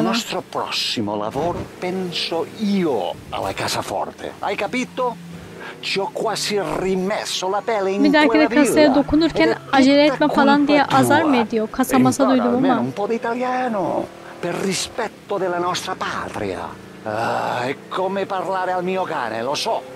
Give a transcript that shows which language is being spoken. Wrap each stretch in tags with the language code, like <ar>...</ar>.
<it>Il nostro prossimo lavoro penso io alla casaforte. Hai capito? Ci ho quasi rimesso la pelle in quella villa.</it> <tr>Bir dakika, kasaya dokunurken acele etme falan diye azar mı ediyor? Kasa masa duydum ama.</tr> <it>Un po' d'italiano per rispetto della nostra patria. È come parlare al mio cane, lo so.</it>